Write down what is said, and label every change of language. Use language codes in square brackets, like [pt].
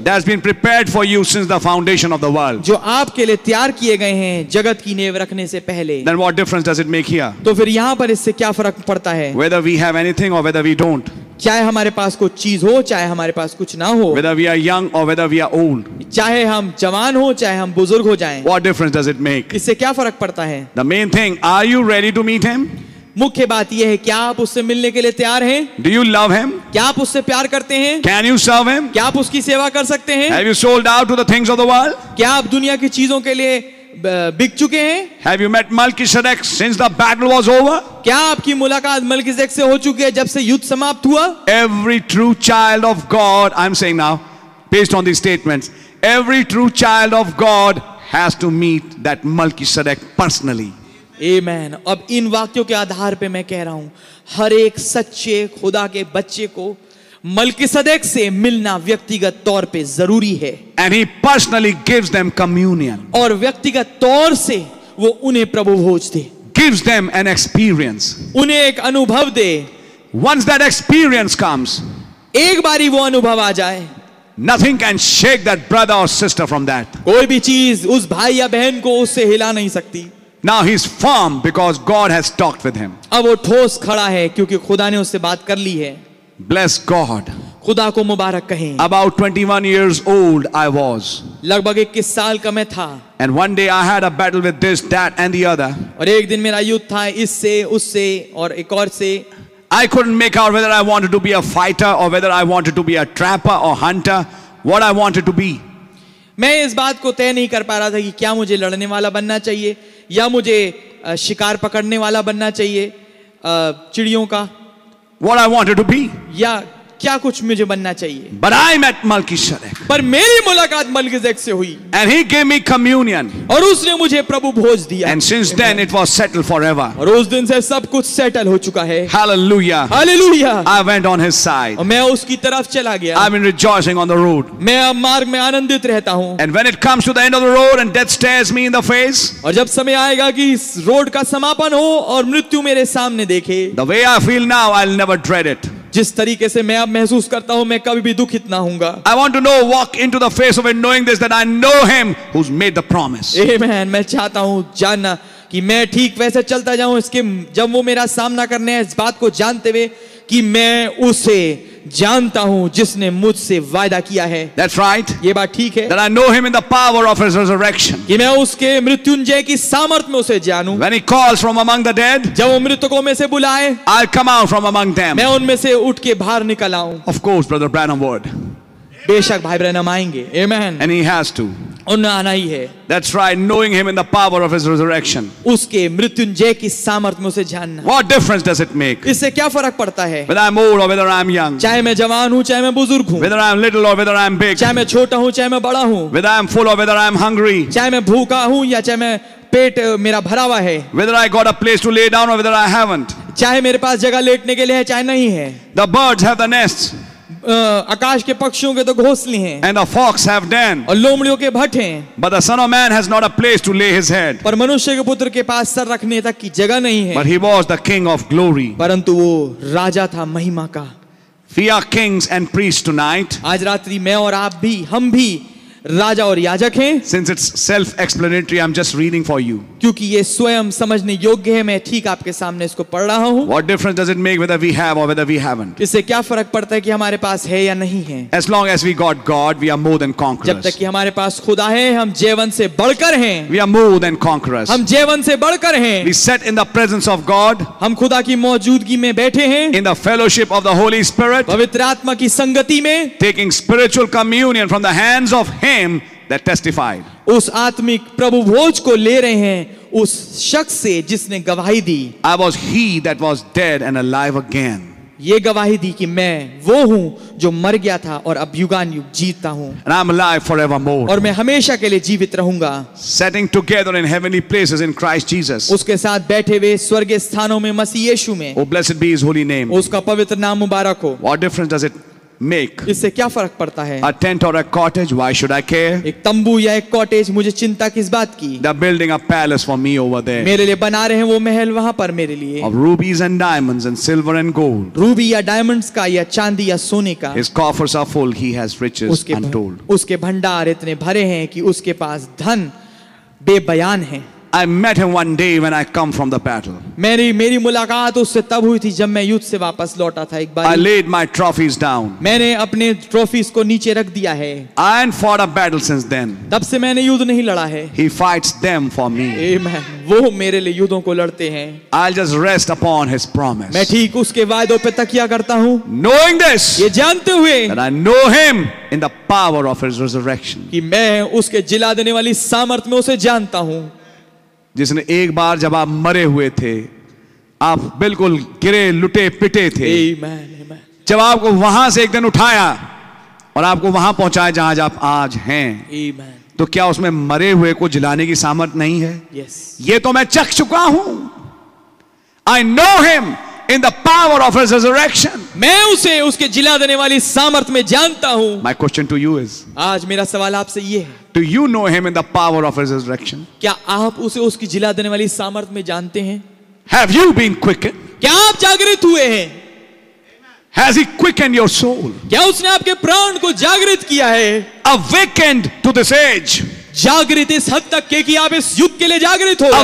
[en] That's been prepared for you since the foundation of the world. [hi] जो आपके लिए तैयार किए गए हैं जगत की नेव रखने से पहले. [en] Then what difference does it make here? [hi] तो फिर यहाँ पर इससे क्या फर्क पड़ता है? [en] Whether we have anything or whether we don't. [hi] चाहे हमारे पास कुछ चीज हो चाहे हमारे पास कुछ ना हो. [en] Whether we are young or whether we are old. [hi] चाहे हम जवान हो चाहे हम बुजुर्ग हो जाएं. [en] What difference does it make? [hi] इससे क्या फर्क पड़ता है? [en] The main thing, are you ready to meet him? [hi] मुख्य बात यह है, क्या आप उससे मिलने के लिए तैयार हैं? [en] Do you love him? [hi] क्या आप उससे प्यार करते हैं? [en] Can you serve him? [hi] क्या आप उसकी सेवा कर सकते हैं? [en] Have you sold out to the things of the world? [hi] क्या आप दुनिया की चीजों के लिए बिक चुके हैं? [en] Have you met Melchizedek since the battle was over? [hi] क्या आपकी मुलाकात मलकीसेदेक से हो चुकी है जब से युद्ध समाप्त हुआ? [en] Every true child of God, I'm saying now, based on these statements, every true child of God has to meet that Melchizedek personally. Amen. [hi] अब इन वाक्यों के आधार पे मैं कह रहा हूं, हर एक सच्चे खुदा के बच्चे को मलकीसेदेक से मिलना व्यक्तिगत तौर पे जरूरी है. [en] And he personally gives them communion. [hi] और व्यक्तिगत तौर से वो उन्हें प्रभु भोज दे. [en] Gives them an experience. [hi] उन्हें एक अनुभव दे. [en] Once that experience comes, [hi] एक बारी वो अनुभव आ जाए, [en] Nothing can shake that brother or sister from that. [hi] कोई भी चीज उस भाई या बहन को उससे हिला नहीं सकती. [en] Now he's firm because God has talked with him. [hi] अब वो ठोस खड़ा है क्योंकि खुदा ने उससे बात कर ली है. [en] Bless God. [hi] खुदा को मुबारक कहें. [en] About 21 years old I was. [hi] लगभग 21 साल का मैं था. [en] And one day I had a battle with this, that, and the other. [hi] और एक दिन मेरा युद्ध था इससे, उससे और एक और से. [en] I couldn't make out whether I wanted to be a fighter or whether I wanted to be a trapper or hunter. What I wanted to be. [hi] मैं इस बात को तय नहीं कर पा रहा था कि क्या मुझे लड़ने वाला बनना चाहिए या मुझे शिकार पकड़ने वाला बनना चाहिए चिड़ियों का. [en] What I wanted to be. [hi] या क्या कुछ मुझे बनना चाहिए. [en] But I met Melchizedek. [hi] पर मेरी मुलाकात मलकीसेदेक से हुई. [en] And he gave me communion. [hi] और उसने मुझे प्रभु भोज दिया. [en] And since then it was settled forever. [hi] और उस दिन से सब कुछ सेटल हो चुका है. [en] Hallelujah. Hallelujah. I went on his side. [hi] और मैं उसकी तरफ चला गया. [en] I've been rejoicing on the road. [hi] मैं अब मार्ग में आनंदित रहता हूँ. [en] And when it comes to the end of the road and death stares me in the face. [hi] और जब समय आएगा कि इस रोड का समापन हो और मृत्यु मेरे सामने देखे. [en] The way I feel now, I'll never dread it. [hi] जिस तरीके से मैं अब महसूस करता हूं मैं कभी भी दुखित ना होऊंगा. [en] I want to know, walk into the face of it knowing this, that I know him who's made the promise. Amen. [hi] मैं चाहता हूं जानना कि मैं ठीक वैसे चलता जाऊं इसके जब वो मेरा सामना करने है, इस बात को जानते हुए कि मैं उसे जानता हूं जिसने मुझसे वायदा किया है. [en] That's right. [hi] ये बात ठीक है. [en] That I know him in the power of his resurrection. [hi] कि मैं उसके मृत्युंजय की सामर्थ में उसे जानूं. [en] When he calls from among the dead, [hi] जब वो मृतकों में से बुलाए, [en] I'll come out from among them. [hi] मैं उनमें से उठ के बाहर निकल आऊं. [en] Of course, Brother Branham would. [hi] बेशक भाई ब्रैनम आएंगे. Amen. [en] And he has to. [hi] उन्हें आना ही है. [en] That's right. Knowing him in the power of his resurrection. [hi] उसके मृत्युंजय की सामर्थ में उसे जानना. [en] What difference does it make? [hi] इससे क्या फर्क पड़ता है? [en] Whether I'm old or whether I'm young. [hi] चाहे मैं जवान हूँ चाहे मैं बुजुर्ग हूँ. [en] Whether I'm little or whether I'm big. [hi] चाहे मैं छोटा हूँ चाहे मैं बड़ा हूँ. [en] Whether I'm full or whether I'm hungry. [hi] चाहे मैं भूखा हूँ या चाहे मैं पेट मेरा भरा हुआ है. [en] Whether I got a place to lay down or whether I haven't. [hi] चाहे मेरे पास जगह लेटने के लिए है चाहे नहीं है. [en] The birds have the nests. [hi] आकाश के पक्षियों के तो घोंसले हैं [en] and a fox have den [hi] और लोमड़ियों के भट हैं [en] but the son of man has not a place to lay his head [hi] पर मनुष्य के पुत्र के पास सर रखने तक की जगह नहीं है [en] but he was the king of glory [hi] परंतु वो राजा था महिमा का [en] We are kings and priests tonight. [hi] आज रात्रि मैं और आप भी हम भी राजा और याजक हैं. [en] Since it's self-explanatory, I'm just reading for you. [hi] क्योंकि ये स्वयं समझने योग्य है मैं ठीक आपके सामने इसको पढ़ रहा हूँ. [en] What difference does it make whether we have or whether we haven't? [hi] इससे क्या फर्क पड़ता है कि हमारे पास है या नहीं है? [en] As long as we got God, we are more than conquerors. [hi] जब तक कि हमारे पास खुदा है, हम जीवन से बढ़कर हैं. [en] We are more than conquerors. [hi] हम जीवन से बढ़कर हैं. [en] We sit in the presence of God. [hi] हम खुदा की मौजूदगी में बैठे हैं. [en] In the fellowship of the Holy Spirit. [hi] पवित्र आत्मा की संगति में. [en] Taking spiritual communion from the hands of Him that testified. [hi] उस आत्मिक प्रभु भोज को ले रहे हैं उस शख्स से जिसने गवाही दी [en] I was he that was dead and alive again. [hi] ये गवाही दी कि मैं वो हूं जो मर गया था और अब युगान युग जीता हूं [en] and I'm alive forevermore. [hi] और मैं हमेशा के लिए जीवित रहूंगा [en] Sitting together in heavenly places in Christ Jesus. [hi] उसके साथ बैठे हुए स्वर्गीय स्थानों में मसीह यीशु में [en] oh, blessed be his holy name. [hi] उसका पवित्र नाम मुबारक हो [en] What difference does it Make. [hi] इससे क्या फर्क पड़ता है? [en] A tent or a cottage? Why should I care? [hi] एक तंबू या एक कॉटेज मुझे चिंता किस बात की? [en] They are building a palace for me over there. [hi] मेरे लिए बना रहे हैं वो महल वहाँ पर मेरे लिए. [en] Of rubies and diamonds and silver and gold. [hi] Ruby या डायमंड्स का या चांदी या सोने का. [en] His coffers are full. He has riches untold. [hi] उसके भंडार इतने भरे हैं कि उसके पास धन बेबयान है. [en] I met him one day when I come from the battle. [hi] मेरी मुलाकात उससे तब हुई थी जब मैं युद्ध से वापस लौटा था एक बार. [en] I laid my trophies down. [hi] मैंने अपने trophies को नीचे रख दिया है. [en] I ain't fought a battle since then. [hi] तब से मैंने युद्ध नहीं लड़ा है. [en] He fights them for me. Amen. [hi] वो मेरे लिए युद्धों को लड़ते हैं. [en] I'll just rest upon his promise. [hi] मैं ठीक उसके वायदों पे तकिया करता हूँ. [en] Knowing this. [hi] ये जानते हुए. [en] That I know him. In the power of his resurrection. [hi] कि मैं उसके जिला देने वाली सामर्थ में उसे जानता हूँ. जिसने एक बार जब आप मरे हुए थे आप बिल्कुल गिरे लुटे पिटे थे [en] Amen, Amen. [hi] जब आपको वहां से एक दिन उठाया और आपको वहां पहुंचाया जहां आप आज हैं [en] Amen. [hi] तो क्या उसमें मरे हुए को जिलाने की सामर्थ नहीं है [en] yes. [hi] ये तो मैं चख चुका हूं [en] I know him in the power of his resurrection. [hi] मैं उसे उसके जिला देने वाली सामर्थ में जानता हूं [en] my question to you is [hi] आज मेरा सवाल आपसे ये है [en] Do you know him in the power of his resurrection? [hi] क्या आप उसे उसकी जिला देने वाली सामर्थ में जानते हैं? [en] Have you been quickened? [hi] क्या आप जागृत हुए हैं? [en] Has he quickened your soul? [hi] क्या उसने आपके प्राण को जागृत किया है? [en] Awakened to this age. [hi] जागृत इस हद तक के कि आप इस युग के लिए जागृत हो